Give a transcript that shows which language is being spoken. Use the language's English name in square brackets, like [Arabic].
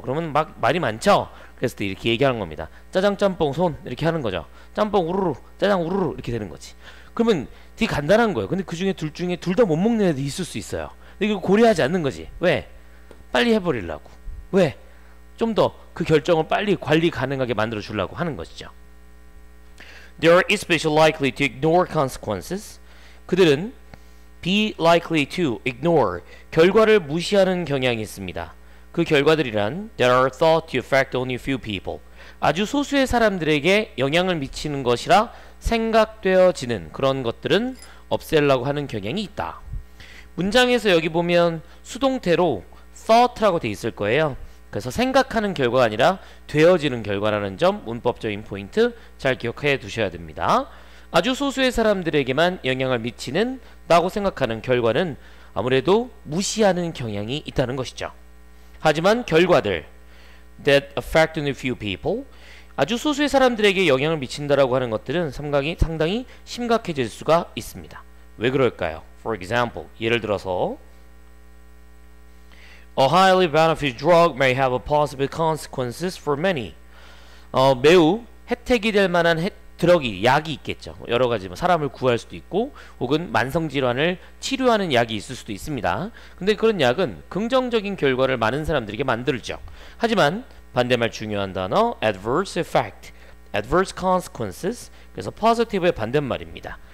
[Korean] 그러면 막 말이 많죠? 그래서 이렇게 얘기하는 겁니다. 짜장 짬뽕 손 이렇게 하는 거죠. 짬뽕 우르르, 짜장 우르르 이렇게 되는 거지. 그러면 되게 간단한 거예요. 근데 그 중에 둘 중에 둘 다 못 먹는 애도 있을 수 있어요. 근데 이거 고려하지 않는 거지. 왜? 빨리 해버리려고. 왜? 좀 더 그 결정을 빨리 관리 가능하게 만들어 주려고 하는 것이죠. [English] They are especially likely to ignore consequences. [Korean] 그들은 [English] be likely to ignore [Korean] 결과를 무시하는 경향이 있습니다. 그 결과들이란 [English] that are thought to affect only few people. [Korean] 아주 소수의 사람들에게 영향을 미치는 것이라 생각되어지는 그런 것들은 없애려고 하는 경향이 있다. 문장에서 여기 보면 수동태로 thought라고 돼 있을 거예요. 그래서 생각하는 결과가 아니라 되어지는 결과라는 점, 문법적인 포인트 잘 기억해 두셔야 됩니다. 아주 소수의 사람들에게만 영향을 미치는 라고 생각하는 결과는 아무래도 무시하는 경향이 있다는 것이죠. 하지만 결과들 [English] that affect only few people, [Korean] 아주 소수의 사람들에게 영향을 미친다라고 하는 것들은 상당히 심각해질 수가 있습니다. 왜 그럴까요? [English] For example, [Korean] 예를 들어서 [English] A highly beneficial drug may have a possible consequences for many. [Korean] 매우 혜택이 될 만한 드럭이, 약이 있겠죠. 여러 가지 뭐 사람을 구할 수도 있고 혹은 만성질환을 치료하는 약이 있을 수도 있습니다. 근데 그런 약은 긍정적인 결과를 많은 사람들에게 만들죠. 하지만 반대말 중요한 단어 [English] adverse effect, adverse consequences, [Korean] 그래서 positive의 반대말입니다.